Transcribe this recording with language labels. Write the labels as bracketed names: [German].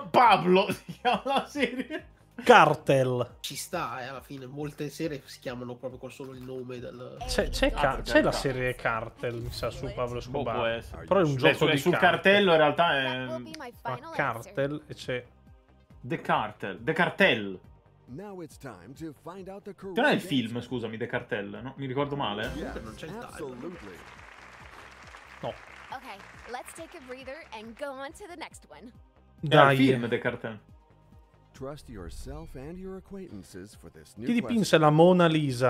[Italian] Pablo si chiama la serie. Cartel. Ci sta, alla fine molte serie si chiamano proprio con solo il nome del... C'è la serie Cartel, mi sa, su Pablo Escobar. Però è un gioco di sul cartello, in realtà è... Ma Cartel e c'è... The Cartel. [English] Now it's time to find out the correct... [Italian] Non è il film, scusami, The Cartel, no? Mi ricordo male? Yes, non c'è il title. [English] No. Ok, let's take a breather and go on to the next one. [Italian] Dai. È il film The Cartel. [English] Trust yourself and your acquaintances for this new... [Italian] Chi dipinse la Mona Lisa?